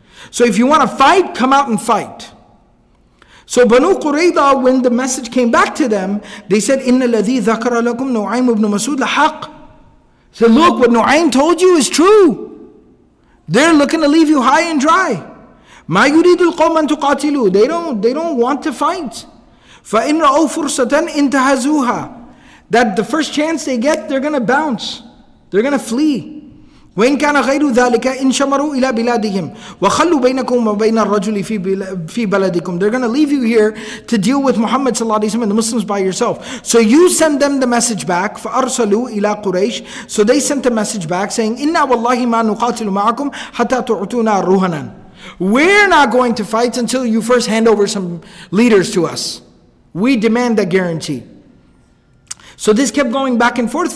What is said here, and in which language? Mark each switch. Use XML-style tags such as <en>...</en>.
<en>So if you want to fight, come out and fight. So Banu Qurayza, when the message came back to them, they said, إِنَّ الَّذِي ذَكَرَ لَكُمْ نُعَيْمُ بْنُ مَسُودُ لَحَقٌّ So look, what Nu'aym told you is true. They're looking to leave you high and dry. مَا يُرِيدُ الْقَوْمَ أَن تُقَاتِلُوا They don't want to fight. فَإِنْ رَأَوْ فُرْسَةً انْتَهَزُوهَا That the first chance they get, they're going to bounce. They're going to flee.</en> <ar>وَإِنْ كَانَ غَيْرُ ذَلِكَ إِنْ شَمَرُوا إِلَى بِلَادِهِمْ وَخَلُّوا بَيْنَكُمْ وَبَيْنَ الرَّجُلِ فِي بَلَدِكُمْ They're going to leave you here to deal with Muhammad صلى الله عليه وسلم and the Muslims by yourself.</ar> <en>So you send them the message back. فَأَرْسَلُوا إِلَى قُرَيْشِ So they sent a message back saying, إِنَّا وَاللَّهِ مَا نُقَاتِلُ مَعَكُمْ حَتَّى تُعْتُونَا رُوهَنًا We're not going to fight until you first hand over some leaders to us. We demand that guarantee. So this kept going back and forth.</en>